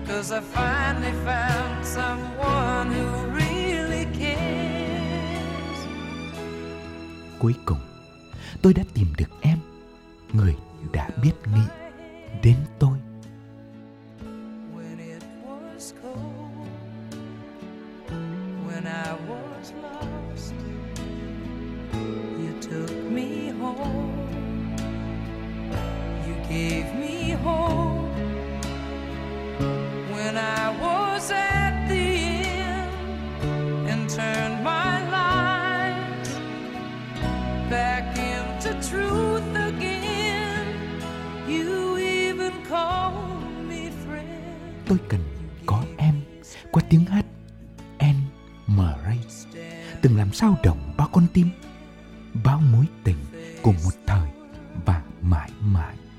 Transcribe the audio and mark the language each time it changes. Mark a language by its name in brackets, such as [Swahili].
[English] I finally found someone who really cares. [Vietnamese] Cuối cùng, tôi đã tìm được em, người đã biết nghĩ đến tôi. [English] When it was cold, when I was lost, you took me home, you gave me hope. When I was at the end and turned my life back into truth again, you even called me friend. [Vietnamese] Tôi cần có em, qua tiếng hát Anne Murray, từng làm sao động bao con tim, bao mối tình của một thời và mãi mãi.